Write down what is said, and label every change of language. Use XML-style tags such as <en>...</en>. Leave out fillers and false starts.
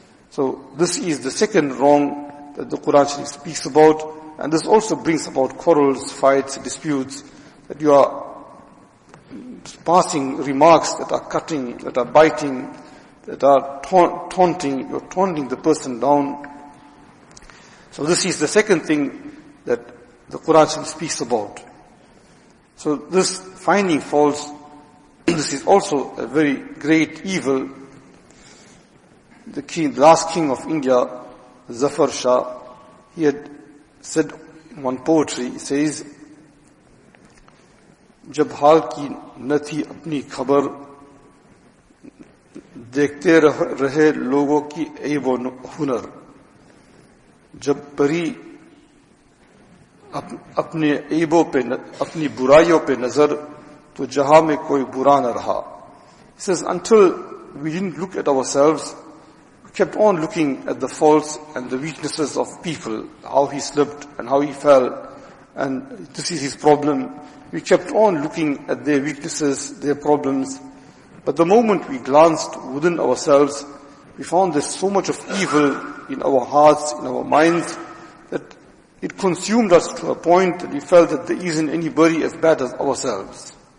<en>So this is the second wrong that the Quran Sharif speaks about, and this also brings about quarrels, fights, disputes, that you are passing remarks that are cutting, that are biting, that are taunting, you're taunting the person down. So this is the second thing that the Quran speaks about. So this finding faults, this is also a very great evil. The last king of India, Zafar Shah, he had said in one poetry, he says,</en> <ur>جب حال کی نہ تھی اپنی خبر دیکھتے رہے لوگوں کی عیب و ہنر جب پری اپنے عیبوں پہ اپنی برائیوں پہ نظر تو جہاں میں کوئی برا نہ رہا.</ur> <en>He says, until we didn't look at ourselves, we kept on looking at the faults and the weaknesses of people, how he slipped and how he fell, and this is his problem. We kept on looking at their weaknesses, their problems. But the moment we glanced within ourselves, we found there's so much of evil in our hearts, in our minds, that it consumed us to a point that we felt that there isn't anybody as bad as ourselves.</en>